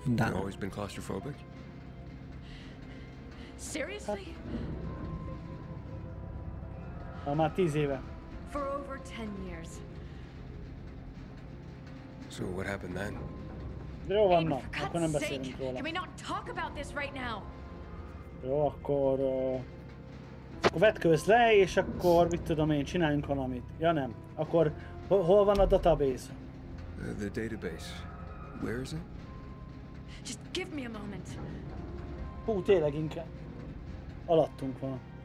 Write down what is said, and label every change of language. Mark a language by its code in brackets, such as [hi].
[en] Dán. You always been claustrophobic? Seriously? [hu] Már 10 éve. [en] For over 10 years. So what happened then? [hu] De jó, vannak, akkor nem beszélünk róla. [en] Can we not talk about this right now? [hu] Jó, akkor... akkor vetkőzz le, és akkor mit tudom én, csináljunk valamit. Ja nem. Akkor hol van a database? [en] The database. Where is it? Just give me a moment. [hu] Hú, tényleg inkább. Alattunk van.